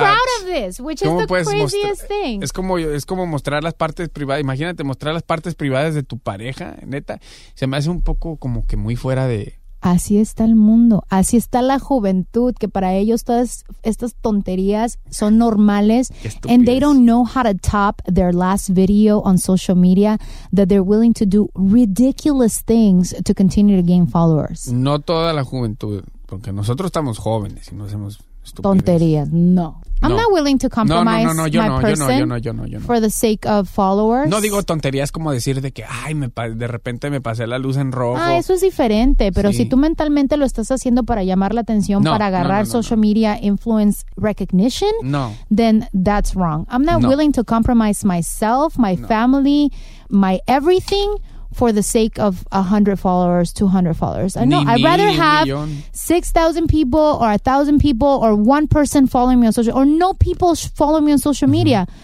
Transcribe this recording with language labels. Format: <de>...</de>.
<en>Proud of this, which is the craziest thing.</en> <es>Es como mostrar las partes privadas. Imagínate mostrar las partes privadas de tu pareja, neta. Se me hace un poco como que muy fuera de... Así está el mundo. Así está la juventud, que para ellos todas estas tonterías son normales.</es> <en>And they don't know how to top their last video on social media, that they're willing to do ridiculous things to continue to gain followers.</en> <es>No toda la juventud, porque nosotros estamos jóvenes y no hacemos... Stupidez. Tonterías, no.</es> <en>I'm not willing to compromise my person for the sake of followers.</en> <es>No digo tonterías como decir de que, ay, de repente me pasé la luz en rojo. Ah, eso es diferente. Pero sí. Si tú mentalmente lo estás haciendo para llamar la atención, no, para agarrar</es> <en>social media influence recognition,</en> <es>no.</es> <en>Then that's wrong. I'm not willing to compromise myself, my family, my everything for the sake of 100 followers, 200 followers. I know. I'd rather have 6,000 people or 1,000 people or one person following me on social, or no people following me on social media.</en>